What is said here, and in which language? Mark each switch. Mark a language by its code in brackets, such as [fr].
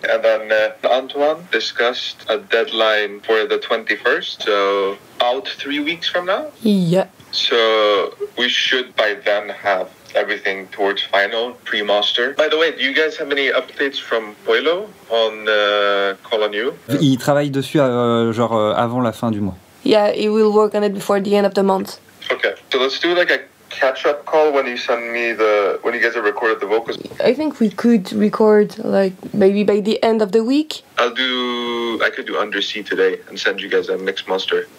[en] And then Antoine discussed a deadline for the 21st, so out 3 weeks from now? Yeah. So we should by then have everything towards final, pre-master. By the way, do you guys have any updates from Poilo on Call on You? [fr] Il travaille dessus genre avant la fin du mois. [en] Yeah, he will work on it before the end of the month. Okay, so let's do like a catch-up call when you send me the, when you guys have recorded the vocals. I think we could record like maybe by the end of the week. I could do Undersea today and send you guys a mix master.